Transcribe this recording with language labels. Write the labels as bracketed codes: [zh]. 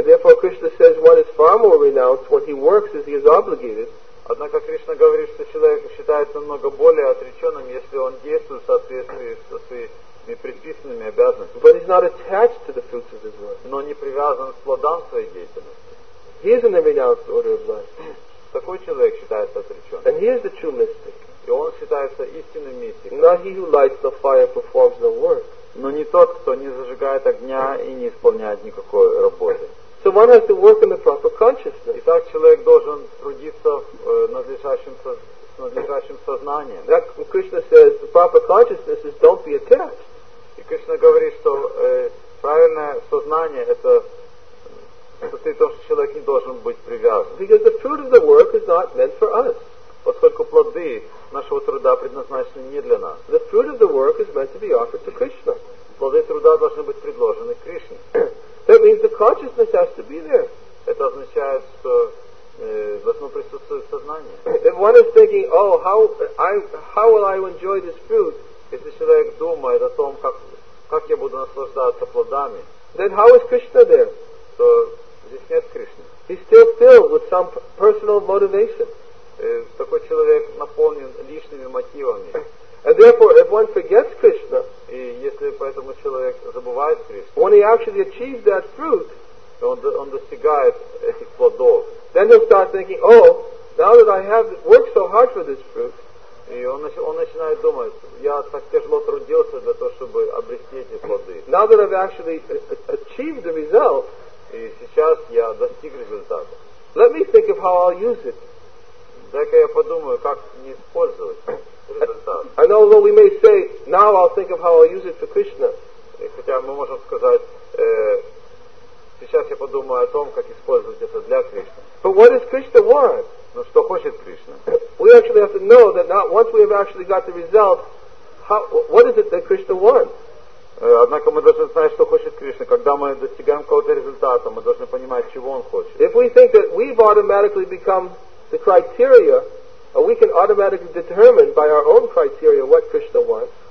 [en] And therefore Krishna says one is far more renounced when he works as he is obligated. [ru] Однако Кришна говорит, что человек считается намного более отреченным, если он действует в соответствии со своими предписанными обязанностями. [en] But he's not attached to the fruits of his work. [ru] Но не привязан к плодам своей деятельности. [en] He is in the renounced order of life. [ru] Такой человек считается отреченным. [en] And he is the true mystic. [ru] И он считается истинным мистиком. [en] Not he who lights the fire performs no work. [ru] Но не тот, кто не зажигает огня и не исполняет никакой работы. [en] So one has to work in the proper consciousness. [ru] Итак, человек должен трудиться с надлежащим сознанием. [en] That Krishna says the proper consciousness is don't be attached. [ru] И Кришна говорит, что правильное сознание это состоит в том, что человек не должен быть привязан. [en] Because the fruit of the work is not meant for us. [ru] Поскольку плоды нашего труда предназначены не для нас. [en] The fruit of the work is meant to be offered to Krishna. [ru] Плоды труда должны быть предложены Кришне. [en] That means the consciousness has to be there. [ru] Это означает, что должно присутствовать сознание. [en] If one is thinking, oh, how will I enjoy this fruit? [ru] Если человек думает о том, как я буду наслаждаться плодами, [en] then how is Krishna there? [ru] То здесь нет Кришны. [en] He's still filled with some personal motivation. [ru] Такой человек наполнен лишними мотивами. [en] And therefore, if one forgets Krishna, [ru] и если поэтому человек забывает Кришну, [en] when he actually achieves that fruit, [ru] он достигает этих плодов, [en] then he'll start thinking, oh, now that I have worked so hard for this fruit, [ru] и он начинает думать, я так тяжело трудился для того, чтобы обрести эти плоды. [en] Now that I've actually achieved the result, [ru] и сейчас я достиг результата. [en] Let me think of how I'll use it. [ru] Дай-ка я подумаю, как не использовать результат. [en] And although we may say, now I'll think of how I'll use it for Krishna. [ru] И хотя мы можем сказать, сейчас я подумаю о том, как использовать это для Кришны. [en] But what does Krishna want? [ru] Но что хочет Кришна? [en] We actually have to know that not once we have actually got the result, what is it that Krishna wants? [ru] Однако мы должны знать, что хочет Кришна. Когда мы достигаем какого-то результата, мы должны понимать, чего Он хочет. [en] If we think that we've automatically become the criteria, or we can automatically determine by our own criteria what Krishna wants.